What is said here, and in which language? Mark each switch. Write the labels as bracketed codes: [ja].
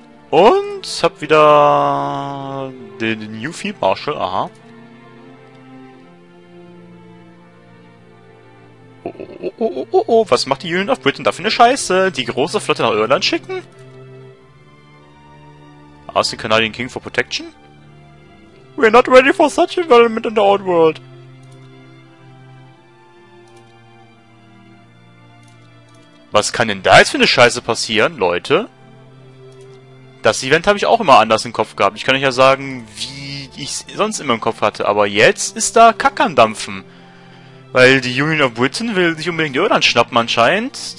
[de] Und hab wieder den New Field Marshal, aha. Oh, was macht die Union of Britain da für eine Scheiße? Die große Flotte nach Irland schicken? [en] Ask the Canadian King for protection? We're not ready for such development in the old world. [de] Was kann denn da jetzt für eine Scheiße passieren, Leute? Das Event habe ich auch immer anders im Kopf gehabt. Ich kann euch ja sagen, wie ich es sonst immer im Kopf hatte. Aber jetzt ist da Kack am Dampfen. Weil die Union of Britain will sich unbedingt Irland schnappen anscheinend.